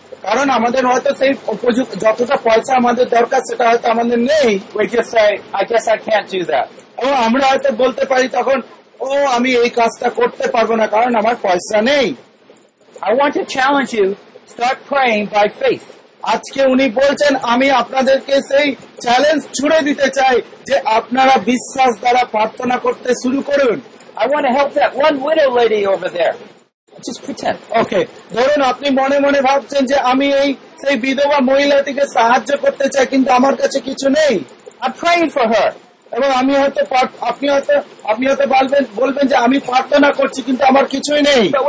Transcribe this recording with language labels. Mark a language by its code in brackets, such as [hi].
[bn] কারণ আমাদের হয়তো সেই যতটা পয়সা আমাদের দরকার সেটা হয়তো আমাদের নেই [en] we just say, I guess I can't do that. [bn] ও আমরা হয়তো বলতে পারি তখন ও আমি এই কাজটা করতে পারবো না কারণ আমার পয়সা নেই। [en] I want to challenge you, start praying by faith. [bn] আজকে উনি বলছেন আমি আপনাদেরকে সেই চ্যালেঞ্জ ছুড়ে দিতে চাই যে আপনারা বিশ্বাস দ্বারা প্রার্থনা করতে শুরু করুন। [en] I want to help that one widow lady over there. Just pretend. Okay. [bn] ধরুন আপনি মনে মনে ভাবছেন যে আমি এই সেই বিধবা মহিলাটিকে সাহায্য করতে চাই কিন্তু আমার কাছে কিছু নেই। [en] I'm praying for her. [bn] এবং আমি হয়তো আপনি হয়তো বলবেন যে আমি প্রার্থনা করছি কিন্তু আমার কিছুই নেই।